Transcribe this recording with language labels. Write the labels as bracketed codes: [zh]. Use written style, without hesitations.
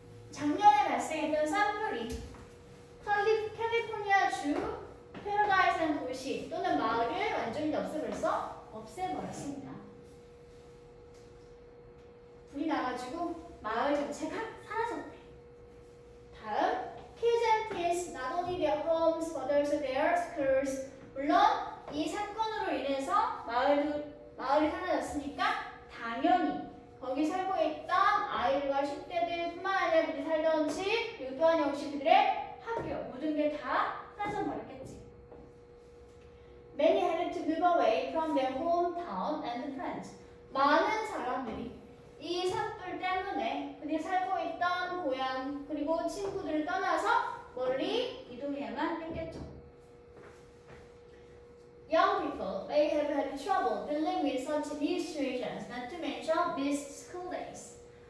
[ko] 작년에 발생했던 산불이 캘리포니아 주 Paradise라는 도시 또는 마을을 완전히 없애버렸어? 없애버렸습니다. 불이 나가지고 마을 전체가 사라졌대. 다음. [en] Kids and teens not only their homes but also their schools. [ko] 물론 이 사건으로 인해서 마을이 사라졌으니까 당연히 거기 살고 있던 아이들과 10대들뿐만 아니라 그들이 살던 집 그리고 또한 역시 그들의 학교 모든 게 다 사라져버렸겠지. [en] Many had to move away from their hometown and friends. [ko] 많은 사람들이 이 산불 때문에 그들이 살고 있던 고향 그리고 친구들을 떠나서 멀리 이동해야만 했겠죠. [en] Young people may have had trouble dealing with such these situations, not to mention missed school days.